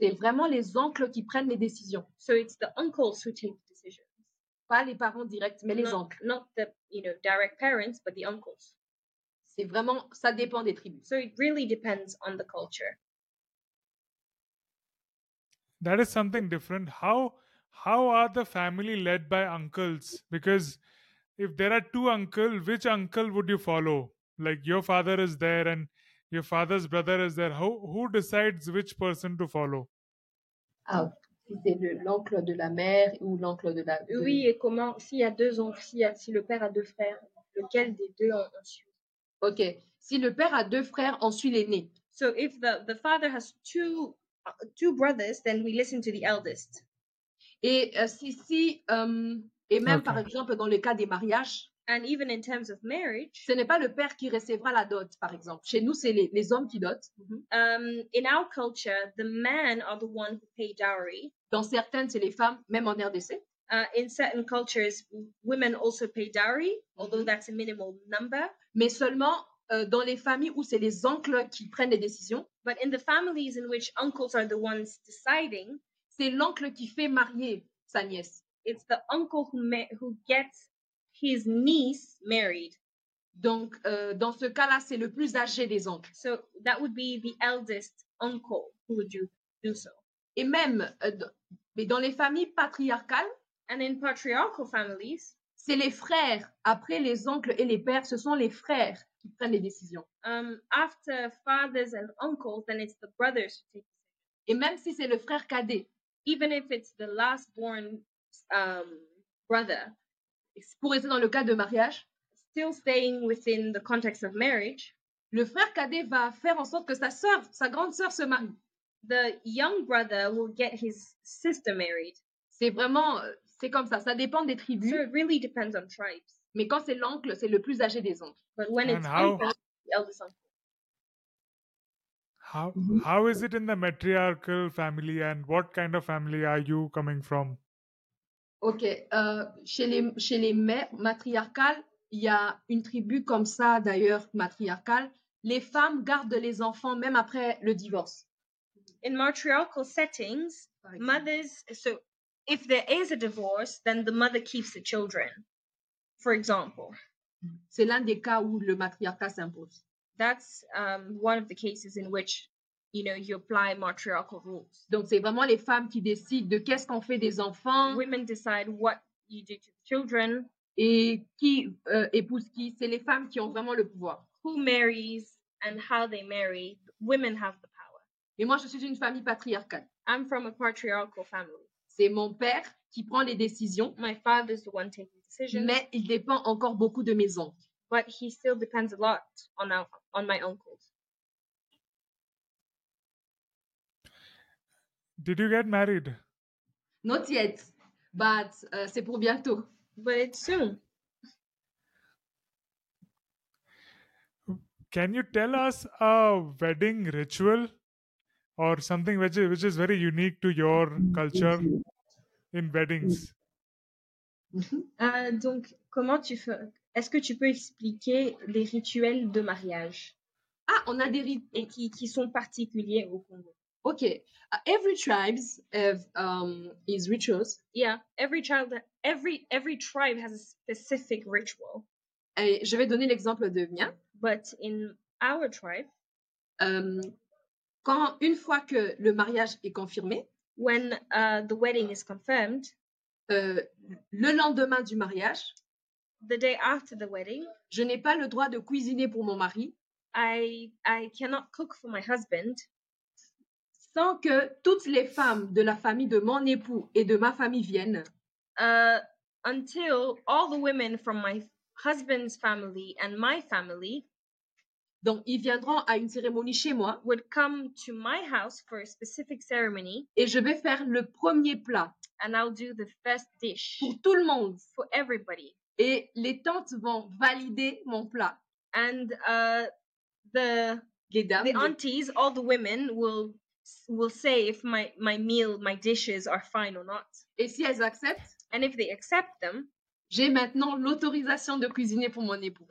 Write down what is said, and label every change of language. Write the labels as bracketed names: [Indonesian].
[French] C'est vraiment les oncles qui prennent les décisions. [English] So it's the uncles who take the decisions. [French] Pas les parents directs, mais les oncles. [English] Not the direct parents, but the uncles. [French] C'est vraiment, ça dépend des tribus. [English] So it really depends on the culture. That is something different. How are the family led by uncles? Because if there are two uncles, which uncle would you follow? Like your father is there and your father's brother is there. Who decides which person to follow? [French] Ah, c'est l'oncle de la mère ou l'oncle de la... Oui, et comment, s'il y a deux oncles, si le père a deux frères, lequel des deux on suit? Ok, si le père a deux frères, on suit l'aîné. [English] So if the father has two brothers, then we listen to the eldest. [French] Et et même okay. Par exemple dans le cas des mariages. [English] And even in terms of marriage. [French] Ce n'est pas le père qui recevra la dot, par exemple. Chez nous, c'est les hommes qui dotent. Mm-hmm. [English] In our culture, the men are the one who pay dowry. [French] Dans certaines, c'est les femmes, même en RDC. [English] In certain cultures, women also pay dowry, although that's a minimal number. [French] Mais seulement dans les familles où c'est les oncles qui prennent les décisions. [English] But in the families in which uncles are the ones deciding. [French] C'est l'oncle qui fait marier sa nièce. [English] It's the uncle who gets his niece married. [French] Donc, dans ce cas-là, c'est le plus âgé des oncles. [English] So, that would be the eldest uncle who would do so. [French] Et même, mais dans les familles patriarcales, [English] and in patriarchal families, [French] c'est les frères, après les oncles et les pères, ce sont les frères qui prennent les décisions. [English] After fathers and uncles, then it's the brothers who take decisions. [French] Et même si c'est le frère cadet, [English] even if it's the last born brother, [French] pour rester dans le cas de mariage, [English] still staying within the context of marriage, [French] le frère cadet va faire en sorte que sa sœur, sa grande sœur se marie. [English] The young brother will get his sister married. [French] C'est vraiment, c'est comme ça, ça dépend des tribus. [English] So it really depends on tribes. [French] Mais quand c'est l'oncle, c'est le plus âgé des oncles. [English] But when it's the eldest uncle. How is it in the matriarchal family and what kind of family are you coming from? [French] Ok, chez les mères matriarcales, il y a une tribu comme ça d'ailleurs matriarcale. Les femmes gardent les enfants même après le divorce. [English] In matriarchal settings, mothers, so if there is a divorce, then the mother keeps the children, for example. [French] C'est l'un des cas où le matriarcat s'impose. [English] That's one of the cases in which, you know, you apply matriarchal rules. [French] Donc, c'est vraiment les femmes qui décident de qu'est-ce qu'on fait des enfants. [English] Women decide what you do to the children. [French] Et qui épouse qui. C'est les femmes qui ont vraiment le pouvoir. [English] Who marries and how they marry. Women have the power. [French] Et moi, je suis une famille patriarcale. [English] I'm from a patriarchal family. [French] C'est mon père qui prend les décisions. [English] My father is the one taking decisions. [French] Mais il dépend encore beaucoup de mes oncles. [English] But he still depends a lot on my uncles. Did you get married? Not yet, but [French] c'est pour bientôt. [English] But it's soon. Can you tell us a wedding ritual or something which is very unique to your culture in weddings? [French] Donc, comment tu fais? Est-ce que tu peux expliquer les rituels de mariage? Ah, on a des rituels. Et qui sont particuliers au Congo. [English] Ok. Every tribe has rituals. Yeah. Every tribe has a specific ritual. [French] Et je vais donner l'exemple de mien. [English] But in our tribe, [French] quand une fois que le mariage est confirmé, [English] when the wedding is confirmed, [French] le lendemain du mariage, [English] the day after the wedding, [French] je n'ai pas le droit de cuisiner pour mon mari. [English] I cannot cook for my husband. [French] Sans que toutes les femmes de la famille de mon époux et de ma famille viennent. [English] Until all the women from my husband's family and my family, [French] donc ils viendront à une cérémonie chez moi, [English] would come to my house for a specific ceremony, [French] et je vais faire le premier plat. [English] And I'll do the first dish [French] pour tout le monde, [English] for everybody. [French] Et les tantes vont valider mon plat. [English] And the aunties, all the women will say if my meal, my dishes are fine or not. [French] Et si elles acceptent, [English] and if they accept them, [French] j'ai maintenant l'autorisation de cuisiner pour mon époux.